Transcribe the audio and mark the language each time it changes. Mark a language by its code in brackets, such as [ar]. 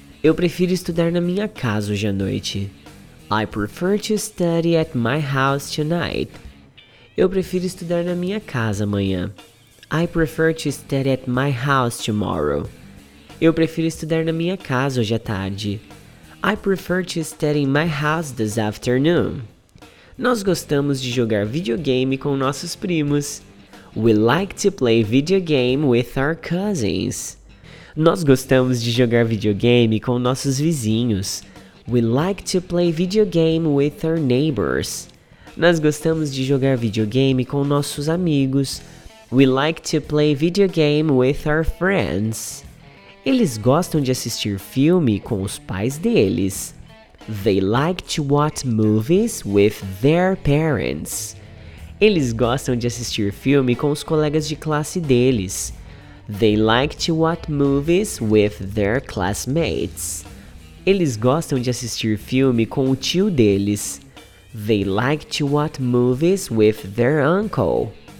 [pt] Eu prefiro estudar na minha casa hoje à noite. [en] I prefer to study at my house tonight. [pt] Eu prefiro estudar na minha casa amanhã. [en] I prefer to study at my house tomorrow. [pt] Eu prefiro estudar na minha casa hoje à tarde. [en] I prefer to study in my house this afternoon. [pt] Nós gostamos de jogar videogame com nossos primos. [en] We like to play video game with our cousins. [pt] Nós gostamos de jogar videogame com nossos vizinhos. [en] We like to play video game with our neighbors. [pt] Nós gostamos de jogar videogame com nossos amigos. [en] We like to play video game with our friends. [pt] Eles gostam de assistir filme com os pais deles. [en] They like to watch movies with their parents. [pt] Eles gostam de assistir filme com os colegas de classe deles. [en] They like to watch movies with their classmates. [pt] Eles gostam de assistir filme com o tio deles. [en] They like to watch movies with their uncle.